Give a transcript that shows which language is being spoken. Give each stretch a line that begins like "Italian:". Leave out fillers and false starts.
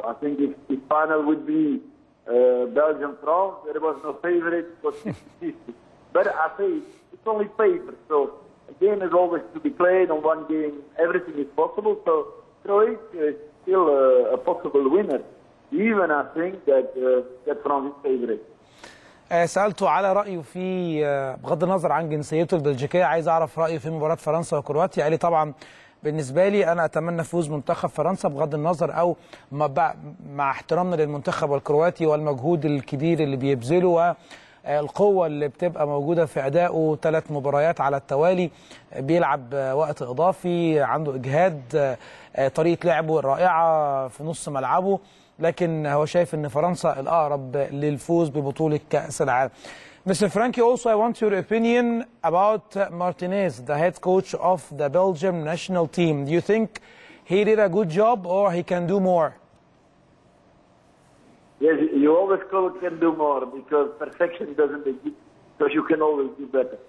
English: I think if the final would be Belgium, France, there was no favorite. But I say it's only paper. So again, as always to be played on one game, everything is possible. So. Croatia is still a possible winner, even I think that France is favorite.
Arabic: سألته على رأيه في بغض النظر عن جنسيته البلجيكية، عايز أعرف رأيه في مباراة فرنسا وكرواتيا. قال لي طبعا بالنسبة لي أنا أتمنى فوز منتخب فرنسا بغض النظر أو مع احترامنا للمنتخب الكرواتي والمجهود الكبير اللي بيبذله القوة اللي بتبقى موجودة في أدائه، ثلاث مباريات على التوالي بيلعب وقت إضافي، عنده إجهاد، طريقة لعبه الرائعة في نص ملعبه، لكن هو شايف أن فرنسا الأقرب للفوز ببطولة كأس العالم.
English: Mr. Frankie, also I want your opinion about Martinez, the head coach of the Belgium national team. Do you think he did a good job or he can do more? Yes, you always call it can do more because perfection doesn't exist, because you can always do better.